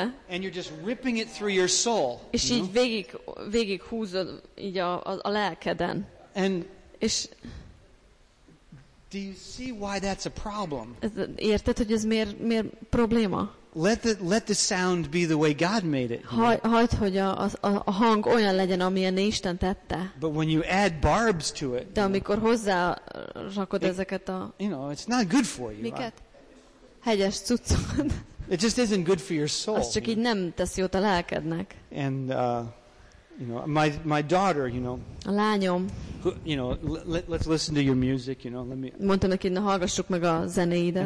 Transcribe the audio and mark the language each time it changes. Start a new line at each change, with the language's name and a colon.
English: And you're just ripping it through your soul.
Hungarian: És így végig húzod így a lelkeden.
English: And
Hungarian: és
English: do you see why that's a problem?
Hungarian: Érted, hogy ez miért probléma?
English: Let the sound be the way God made it.
Hungarian: Hagyd, hogy a hang olyan legyen, amilyen Isten tette.
English: But when you add barbs to it,
Hungarian: de amikor hozzá rakod ezeket a,
English: you know, it's not good for you.
Hungarian: Miket? Hegyes cuccod.
English: It just isn't good for your soul.
Hungarian: Az csak így nem tesz jót a lelkednek.
English: And you know, my daughter, you know.
Hungarian: A lányom.
English: You know, let's listen to your music, you know.
Hungarian: Mondta neki, na hallgassuk meg a zenéidet.